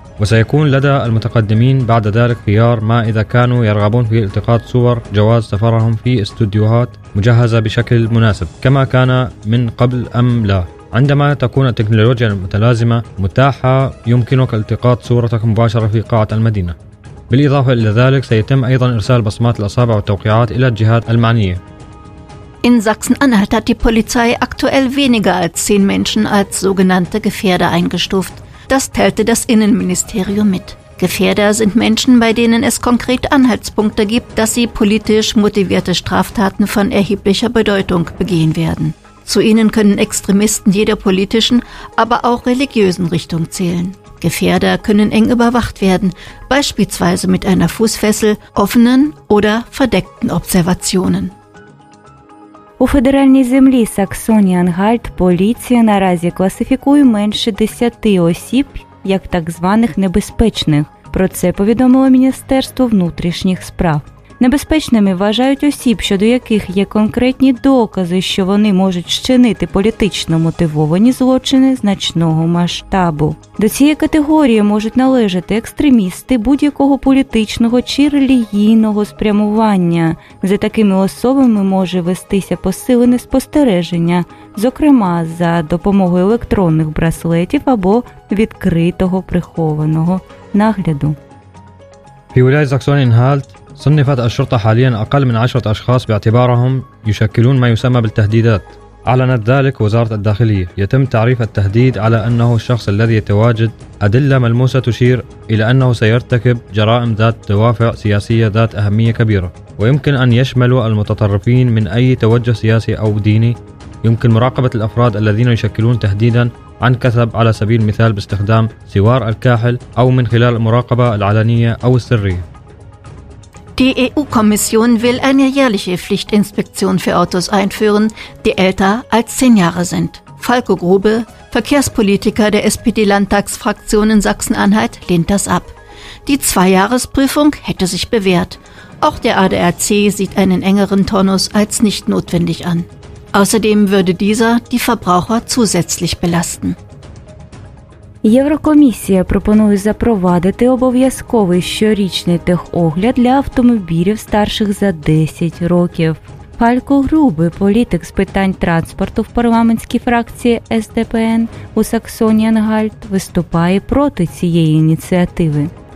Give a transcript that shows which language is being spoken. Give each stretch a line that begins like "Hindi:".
Arabic: وسيكون لدى المتقدمين بعد ذلك خيار ما إذا كانوا يرغبون في التقاط صور جواز سفرهم في استوديوهات مجهزة بشكل مناسب كما كان من قبل أم لا. عندما تكون التكنولوجيا المتلازمة متاحة يمكنك التقاط صورتك مباشرة في قاعة المدينة. بالإضافة إلى ذلك سيتم أيضا إرسال بصمات الأصابع والتوقيعات إلى الجهات المعنية.
German: In Sachsen-Anhalt hat die Polizei aktuell weniger als 10 Menschen als sogenannte Gefährder eingestuft. Das teilte das Innenministerium mit. Gefährder sind Menschen, bei denen es konkret Anhaltspunkte gibt, dass sie politisch motivierte Straftaten von erheblicher Bedeutung begehen werden. Zu ihnen können Extremisten jeder politischen, aber auch religiösen Richtung zählen. Gefährder können eng überwacht werden, beispielsweise mit einer Fußfessel, offenen oder verdeckten Observationen.
Ukrainian: У федеральній землі Саксонія-Анхальт поліція наразі класифікує менше 10 осіб як так званих небезпечних. Про це повідомило Міністерство внутрішніх справ. Небезпечними вважають осіб, щодо яких є конкретні докази, що вони можуть вчинити політично мотивовані злочини значного масштабу. До цієї категорії можуть належати екстремісти будь-якого політичного чи релігійного спрямування. За такими особами може вестися посилене спостереження, зокрема за допомогою електронних браслетів або відкритого прихованого нагляду. Фіуляй Заксон-Інгальт.
Arabic: صنفت الشرطة حالياً أقل من 10 أشخاص باعتبارهم يشكلون ما يسمى بالتهديدات. أعلنت ذلك وزارة الداخلية. يتم تعريف التهديد على أنه الشخص الذي يتواجد أدلة ملموسة تشير إلى أنه سيرتكب جرائم ذات دوافع سياسية ذات أهمية كبيرة. ويمكن أن يشمل المتطرفين من أي توجه سياسي أو ديني. يمكن مراقبة الأفراد الذين يشكلون تهديداً عن كثب على سبيل المثال باستخدام سوار الكاحل أو من خلال المراقبة العلنية أو السرية.
German: Die EU-Kommission will eine jährliche Pflichtinspektion für Autos einführen, die älter als 10 Jahre sind. Falco Grube, Verkehrspolitiker der SPD-Landtagsfraktion in Sachsen-Anhalt, lehnt das ab. Die Zweijahresprüfung hätte sich bewährt. Auch der ADAC sieht einen engeren Turnus als nicht notwendig an. Außerdem würde dieser die Verbraucher zusätzlich belasten.
Ukrainian: Єврокомісія пропонує запровадити обов'язковий щорічний техогляд для автомобілів старших за 10 років. Фалько Грубе, політик з питань транспорту в парламентській фракції СДПН у Саксонії-Анхальт, виступає проти цієї ініціативи.